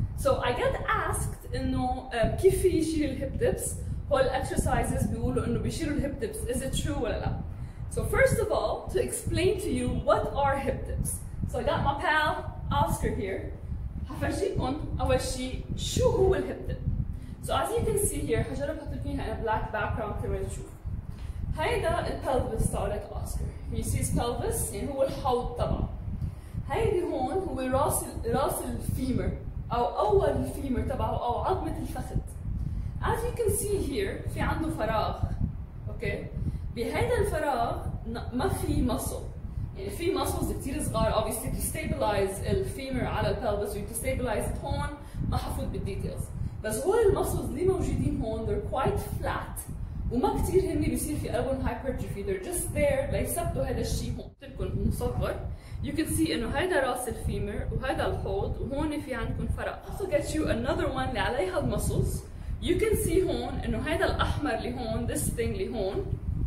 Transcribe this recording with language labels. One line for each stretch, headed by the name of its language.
Arabic: So I get asked إنه كيف يشيل الhip dips؟ هول exercises بيقولوا إنه بيشيلوا الhip dips.
English: Is it true
Arabic: ولا لا؟
English: So first of all, to explain to you what are hip dips. So I got my pal Oscar here.
Arabic: هفرجيكم أول شيء شو هو الhip dip.
English: So as you can see here,
Arabic: هجرب أحط لكم إياها
English: in a black background
Arabic: كمان تشوف. هيدا الpelvis تاعت Oscar.
English: You see his pelvis؟
Arabic: يعني هو الحوض طبعا. هيدي هون هو راس الفيمر أو أول الفيمر تبعه أو عظمة الفخذ.
English: As you can see here,
Arabic: في عنده فراغ. Okay. بهذا الفراغ ما في مصل. يعني في مصلز كتير صغار
English: obviously to stabilize the femur
Arabic: على pelvis
English: to stabilize it
Arabic: هون ما حفوت بالديتيلز. بس هول المصلز اللي موجودين هون
English: they're quite flat
Arabic: وما كتير هني بيصير في قلبهم hypertrophy.
English: They're just there
Arabic: ليثبتوا هذا الشيء هون. تلكم مصور.
English: You can see
Arabic: انه هذا راس الفيمر وهذا الحوض وهون في عندكم فراغ.
English: Also get you another one
Arabic: اللي عليها المصلز.
English: You can see
Arabic: هون انه هذا الاحمر اللي هون
English: this thing
Arabic: اللي هون.